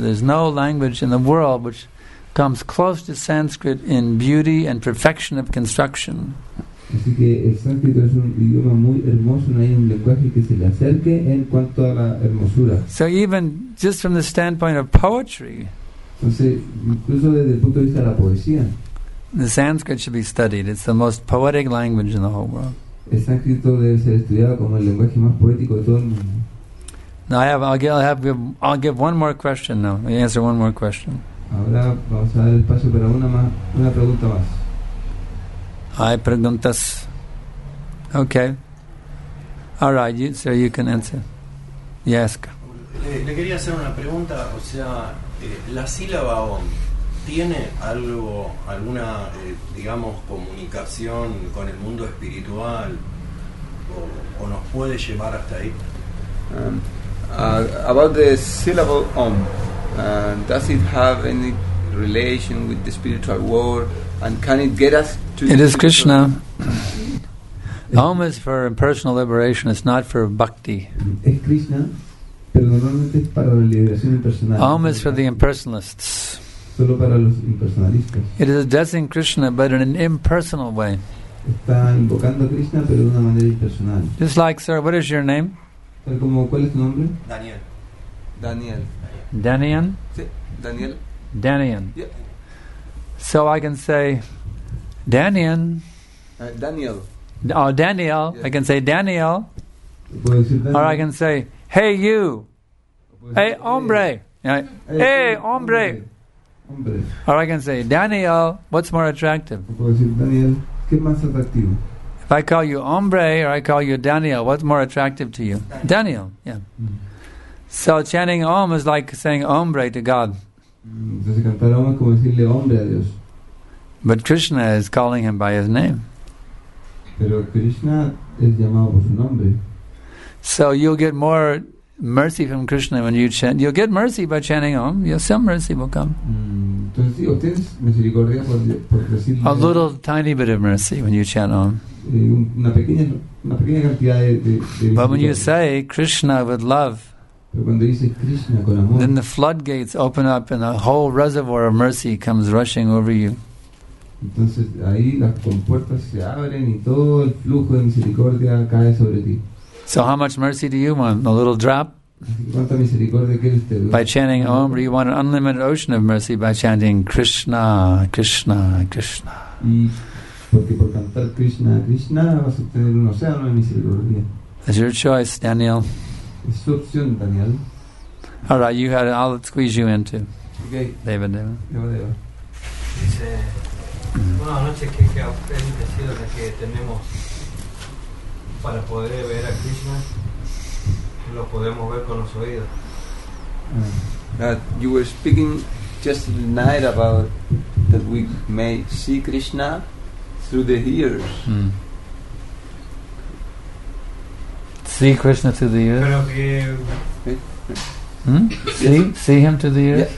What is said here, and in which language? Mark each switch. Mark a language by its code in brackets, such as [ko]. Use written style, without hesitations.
[en] There's no language in the world which comes close to Sanskrit in beauty and perfection of construction. [es] Así que el sánscrito es un idioma muy hermoso, no hay un lenguaje que se le acerque en cuanto a la hermosura. [en] So even just from the standpoint of poetry, [es] entonces, incluso desde el punto de vista de la poesía, [en] the Sanskrit should be studied. It's the most poetic language in the whole world. [es] El sánscrito debe ser estudiado como el lenguaje más poético de todo el mundo. [en] Now I'll give one more question now. I'll answer one more question. [es] Ahora vamos a dar espacio para una pregunta más. Hay preguntas. [en] Okay. All right, so you can answer. Yes. [es] Le quería hacer una pregunta, o sea, la sílaba on tiene alguna comunicación con el mundo espiritual o nos puede llevar hasta ahí. [en] About the syllable om, does it have any relation with the spiritual world and can it get us to it? Is Krishna om is for impersonal liberation, it's not for bhakti. [es] Es Krishna, pero normalmente es para la liberación impersonal. [en] Om is for the impersonalists. [es] solo para los impersonalistas. [en] It is addressing Krishna, but in an impersonal way. [es] Está invocando a Krishna, pero de una manera impersonal. [en] Just like, sir, what is your name? [es] Como, ¿cuál es tu nombre? Daniel. Daniel. Danian? Sí, Daniel. Danian. [en] Yeah. So I can say, Danian. Daniel. Oh, Daniel. Yeah. I can say Daniel. [es] ¿Puedo decir Daniel? [en] Or I can say, hey, you. Hey, hombre. [es] Hey, hey, hombre. Hombre. [en] Or I can say, Daniel, what's more attractive? [es] Daniel, ¿qué más atractivo? [en] If I call you hombre or I call you Daniel, what's more attractive to you? Daniel, Daniel, yeah. Mm-hmm. So chanting om is like saying hombre to God. [es] Entonces, cantar om es como decirle hombre a Dios. [en] But Krishna is calling him by his name. [es] Pero Krishna es llamado por su nombre. [en] So you'll get more mercy from Krishna when you chant. You'll get mercy by chanting om. Yes, some mercy will come. [es] Entonces, ¿obtienes misericordia por decirle? [en] A little tiny bit of mercy when you chant om. [es] Una pequeña cantidad de [en] but when you say Krishna with love, [es] pero cuando dice Krishna con amor, [en] then the floodgates open up and a whole reservoir of mercy comes rushing over you. [es] Entonces ahí las compuertas se abren y todo el flujo de misericordia cae sobre ti. [en] So how much mercy do you want? A little drop? [es] ¿Cuánta misericordia quieres te doy? [en] By chanting Om, you want an unlimited ocean of mercy by chanting Krishna, Krishna, Krishna. [es] Y porque por cantar Krishna, Krishna vas a tener un océano de misericordia. [en] It's your choice, Daniel. [es] Es su opción, Daniel. [en] All right, you had it. I'll squeeze you into. Okay. David, David. [es] Dice, buenas noches, que a usted bendecido de que tenemos para poder ver a Krishna, lo podemos ver con los oídos. [en] That you were speaking just tonight about that we may see Krishna through the ears. Mm. See Krishna through the ears? Hmm? See him through the ears?